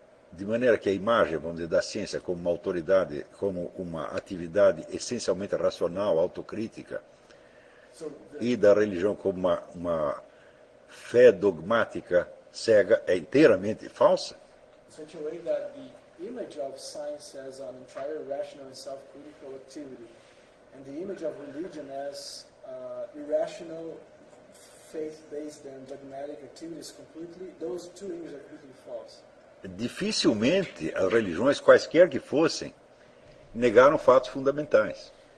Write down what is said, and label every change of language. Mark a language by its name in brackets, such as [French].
[Portuguese] De maneira que a imagem, vamos dizer, da ciência como uma autoridade, como uma atividade essencialmente racional, autocrítica, e da religião como uma fé dogmática cega, é inteiramente falsa. [English] In such a way that the image of science as an entirely rational and self-critical activity, and the image of religion as irrational, faith-based and dogmatic activities completely, those two images are completely false. [Portuguese] Dificilmente as religiões, quaisquer que fossem, negaram fatos fundamentais.